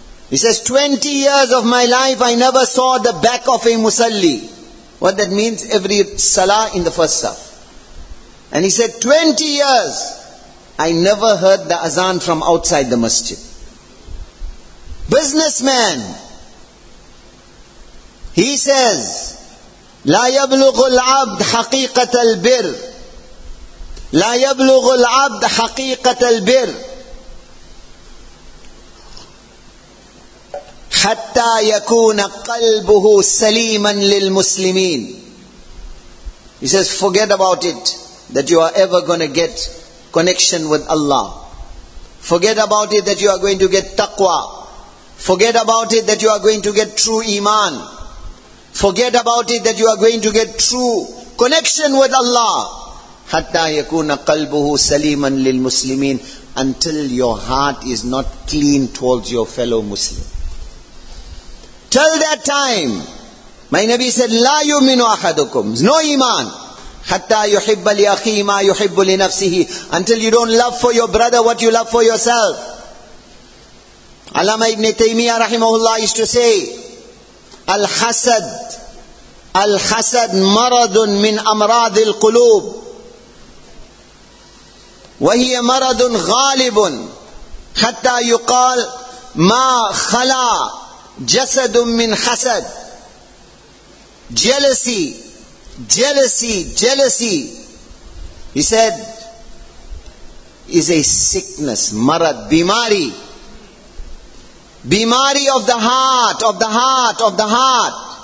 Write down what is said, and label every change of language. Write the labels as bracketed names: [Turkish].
[English] He says, 20 years of my life I never saw the back of a musalli. What that means? Every salah in the first saf. And he said, 20 years, I never heard the azan from outside the masjid. Businessman. He says, [Arabic] لا يبلغ العبد حقيقة البر. لا يبلغ العبد حقيقة البر. حتى يكون قلبه سليما للمسلمين. [English] He says, forget about it, that you are ever going to get connection with Allah. Forget about it that you are going to get taqwa. Forget about it that you are going to get true iman. Forget about it that you are going to get true connection with Allah. [Arabic] حتى يكون قلبه سليما للمسلمين. [English] Until your heart is not clean towards your fellow Muslim. Till that time, my Nabi said, [Arabic] لا يؤمن أحدكم. [English] No iman. [Arabic] حتى يحب لأخي ما يحب لنفسه. [English] Until you don't love for your brother what you love for yourself. Allama ibn Taymiyyah rahimahullah used to say, [Arabic] الحسد الحسد مرض من أمراض القلوب وهي مرض غالب حتى يقال ما خلا جسد من حسد. [English] Jealousy, jealousy, jealousy, he said, is a sickness, marad, bimari. Bimari of the heart, of the heart, of the heart.